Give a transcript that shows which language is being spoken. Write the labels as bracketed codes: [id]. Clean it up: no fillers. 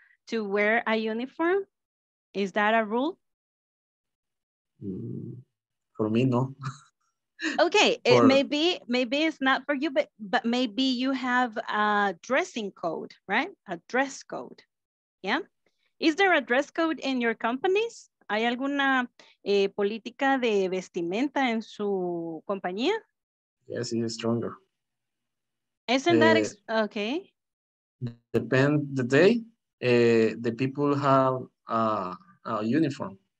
[en] To wear a uniform, is that a rule? For me, no. Okay, maybe it's not for you, but maybe you have a dressing code, right? A dress code, yeah? Is there a dress code in your companies? [es] ¿Hay alguna política de vestimenta en su compañía? [en] Yes, it is stronger. Isn't that okay? Depend the day, the people have a uniform.